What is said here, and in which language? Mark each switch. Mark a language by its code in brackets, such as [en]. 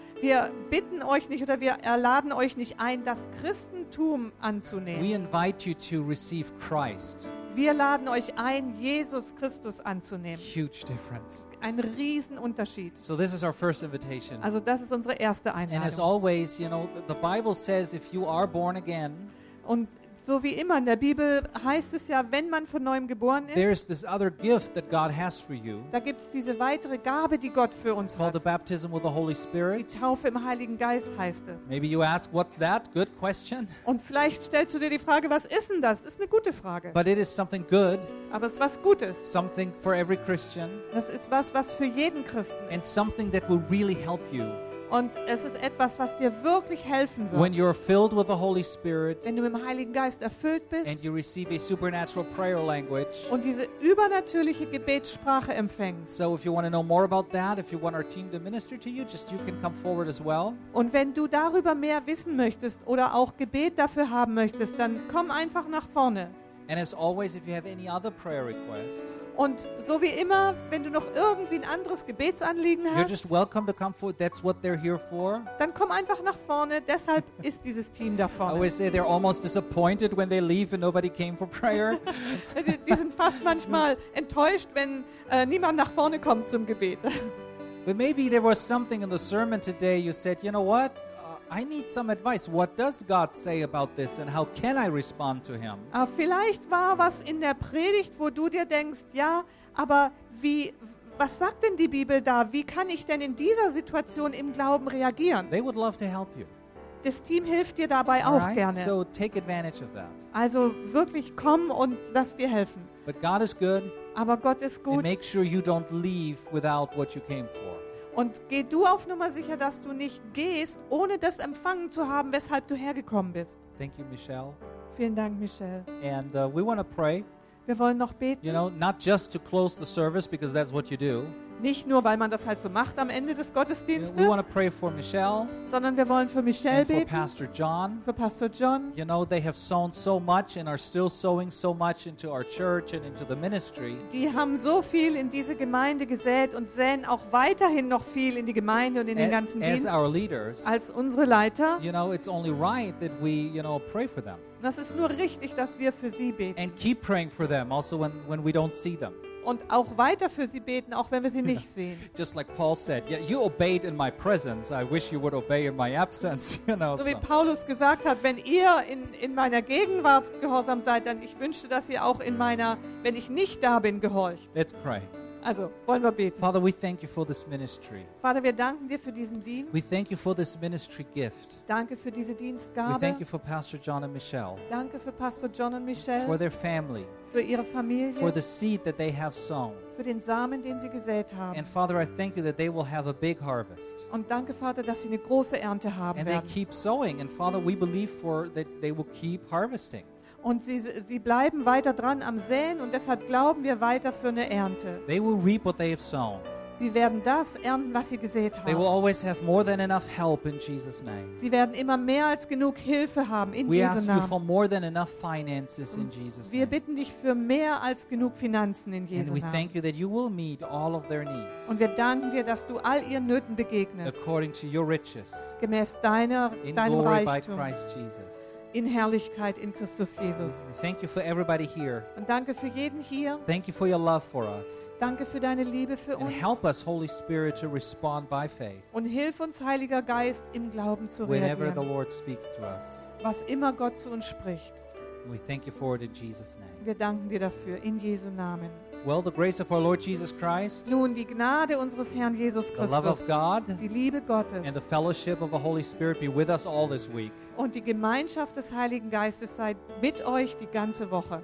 [de] Wir bitten euch nicht oder wir erladen euch nicht ein, das Christentum anzunehmen. [en] We invite you to receive Christ. [de] Wir laden euch ein, Jesus Christus anzunehmen. [en] Huge difference. [de] Ein Riesenunterschied. [en] So this is our first invitation. [de] Also das ist unsere erste Einladung. [en] And as always, you know, the Bible says if you are born again, [de] und So wie immer in der Bibel heißt es ja, wenn man von neuem geboren ist, [en] there's this other gift that God has for you. [de] Da gibt's diese weitere Gabe, die Gott für uns hat. [en] The baptism with the Holy Spirit. [de] Die Taufe im Heiligen Geist heißt es. [en] Maybe you ask, what's that? Good question. [de] Und vielleicht stellst du dir die Frage, was ist denn das? Ist eine gute Frage. [en] But it is something good. [de] Aber es ist was Gutes. [en] Something for every Christian. [de] Das ist was, was für jeden Christen. [en] And something that will really help you. [de] Und es ist etwas, was dir wirklich helfen wird. [en] When you're filled with the Holy Spirit, [de] wenn du mit dem Heiligen Geist erfüllt bist, [en] and you receive a supernatural prayer language, [de] und diese übernatürliche Gebetssprache empfängst. [en] So if you want to know more about that, if you want our team to minister to you, just you can come forward as well. [de] Und wenn du darüber mehr wissen möchtest oder auch Gebet dafür haben möchtest, dann komm einfach nach vorne. [en] And as always, if you have any other prayer request, [de] und so wie immer, wenn du noch irgendwie ein anderes Gebetsanliegen hast, [en] you're just welcome to come forward. That's what they're here for. [de] Dann komm einfach nach vorne. Deshalb ist dieses Team da vorne. [en] I always say they're almost disappointed when they leave and nobody came for prayer. [de] Die sind fast manchmal enttäuscht, wenn niemand nach vorne kommt zum Gebet. [en] But maybe there was something in the sermon today. You said, you know what? I need some advice. What does God say about this and how can I respond to him? [de] Vielleicht war was in der Predigt, wo du dir denkst, ja, aber wie, was sagt denn die Bibel da? Wie kann ich denn in dieser Situation im Glauben reagieren? [en] They would love to help you. [de] Das Team hilft dir dabei auch gerne. [en] So take advantage of that. [de] Also wirklich komm und lass dir helfen. [en] But God is good. [de] Aber Gott ist gut. [en] And make sure you don't leave without what you came for. [de] Und geh du auf Nummer sicher, dass du nicht gehst, ohne das empfangen zu haben, weshalb du hergekommen bist. [en] Thank you, Michelle. [de] Vielen Dank, Michelle. [en] And we want to pray. [de] Wir wollen noch beten. [en] You know, not just to close the service, because that's what you do. [de] Nicht nur, weil man das halt so macht am Ende des Gottesdienstes. [en] We want to pray for Michelle. [de] Sondern wir wollen für Michelle beten. [en] And for Pastor John. [de] Für Pastor John. [en] You know, they have sown so much and are still sowing so much into our church and into the ministry. [de] Die haben so viel in diese Gemeinde gesät und säen auch weiterhin noch viel in die Gemeinde und in den ganzen Dienst. [en] As our leaders. [de] Als unsere Leiter. [en] You know, it's only right that we, you know, pray for them. [de] Das ist nur richtig, dass wir für sie beten. [en] And keep praying for them, also when we don't see them. [de] Und auch weiter für sie beten, auch wenn wir sie nicht sehen. [en] Just like Paul said, yeah, you obeyed in my presence. I wish you would obey in my absence. You know, [de] so wie Paulus gesagt hat, wenn ihr in meiner Gegenwart gehorsam seid, dann ich wünschte, dass ihr auch in meiner, wenn ich nicht da bin, gehorcht. [en] Let's pray. [de] Also, wollen wir beten. [en] Father, we thank you for this ministry. [de] Vater, wir danken dir für diesen Dienst. [en] We thank you for this ministry gift. [de] Danke für diese Dienstgabe. [en] We thank you for Pastor John and Michelle. [de] Danke für Pastor John und Michelle. [en] For their family. [de] Für ihre Familie. [en] For the seed that they have sown. [de] Für den Samen, den sie gesät haben. [en] And Father, I thank you that they will have a big harvest. [de] Und danke, Vater, dass sie eine große Ernte haben [en] and [de] werden. [en] And they keep sowing. And Father, we believe for that they will keep harvesting. [de] Und sie bleiben weiter dran am Säen und deshalb glauben wir weiter für eine Ernte. [en] They will reap what they have sown. [de] Sie werden das ernten, was sie gesät haben. [en] They will always have more than enough help in Jesus' name. [de] Sie werden immer mehr als genug Hilfe haben in [en] we [de] Jesu Namen. [en] We ask you for more than enough finances in Jesus' name. [de] Wir bitten dich für mehr als genug Finanzen in Jesu Namen. [en] And we thank you that you will meet all of their needs. [de] Und wir danken dir, dass du all ihren Nöten begegnest. [en] According to your riches. [de] Gemäß deinem [en] glory [de] Reichtum. [en] By Christ Jesus. [de] In Herrlichkeit in Christus Jesus. [en] Thank you for everybody here. [de] Und danke für jeden hier. [en] Thank you for your love for us. [de] Danke für deine Liebe für [en] and Help us, Holy Spirit, to respond by faith. [de] Und hilf uns, Heiliger Geist, im Glauben zu [en] whenever [de] reagieren. [en] Whenever the Lord speaks to us. [de] Was immer Gott zu uns spricht. [en] We thank you for it in Jesus' name. [de] Wir danken dir dafür in Jesu Namen. [en] Well, the grace of our Lord Jesus Christ. [de] Nun die Gnade unseres Herrn Jesus Christus. [en] The love of God. [de] Die Liebe Gottes. [en] And the fellowship of the Holy Spirit be with us all this week. [de] Und die Gemeinschaft des Heiligen Geistes sei mit euch die ganze Woche.